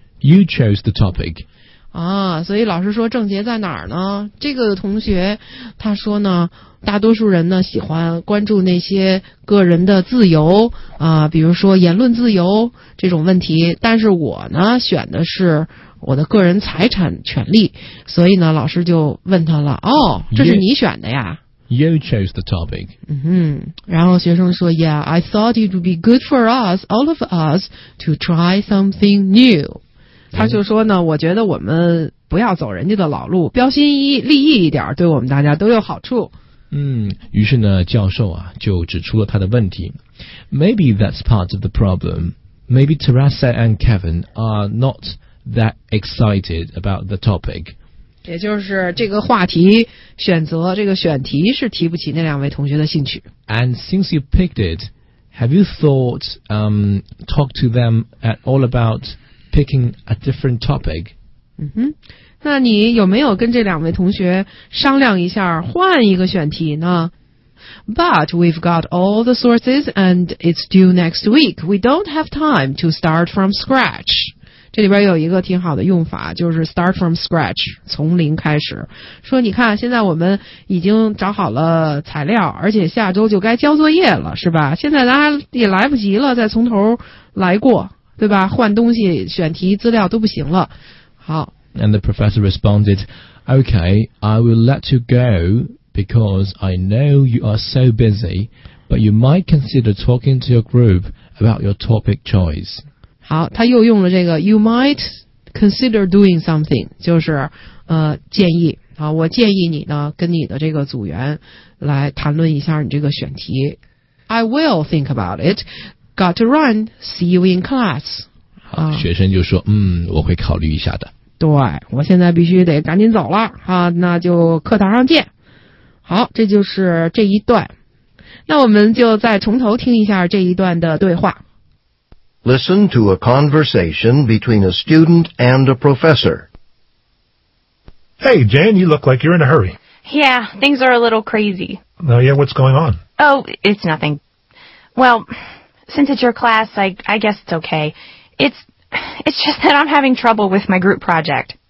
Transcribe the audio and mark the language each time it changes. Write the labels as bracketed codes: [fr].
[en] You chose the topic. [zh] 啊，所以老师说症结在哪儿呢？这个同学他说呢，大多数人呢喜欢关注那些个人的自由啊，比如说言论自由这种问题。但是我呢选的是我的个人财产权利，所以呢老师就问他了，哦，这是你选的呀？ [en] You chose the topic. [zh] 嗯哼，然后学生说 [en] ，Yeah, I thought it would be good for us, all of us, to try something new. [zh] 他就说呢，我觉得我们不要走人家的老路，标新立异一点，对我们大家都有好处。嗯，于是呢，教授啊，就指出了他的问题。 [en] Maybe that's part of the problem. Maybe Teresa and Kevin are not that excited about the topic. [zh] 也就是这个话题选择，这个选题是提不起那两位同学的兴趣。 [en] And since you picked it, have you thought, talk to them at all aboutpicking a different topic. [zh] 嗯哼，那你有没有跟这两位同学商量一下换一个选题呢？ [en] But we've got all the sources and it's due next week. We don't have time to start from scratch. [zh] 这里边有一个挺好的用法，就是 [en] start from scratch, [zh] 从零开始。说你看，现在我们已经找好了材料，而且下周就该交作业了，是吧？现在大家也来不及了，再从头来过。对吧，换东西选题资料都不行了。好。 [en] And the professor responded, Okay, I will let you go because I know you are so busy, but you might consider talking to your group about your topic choice. [zh] 好，他又用了这个 [en] you might consider doing something, [zh] 就是建议。好，我建议你呢跟你的这个组员来谈论一下你这个选题。 [en] I will think about it. Got to run. See you in class. [zh] 学生就说，嗯，我会考虑一下的。对，我现在必须得赶紧走了啊，那就课堂上见。好，这就是这一段。那我们就再从头听一下这一段的对话。 [en] Listen to a conversation between a student and a professor. Hey, Jane, you look like you're in a hurry. Yeah, things are a little crazy. Oh, yeah, what's going on? Oh, it's nothing. Well... Since it's your class, I guess it's okay. It's just that I'm having trouble with my group project.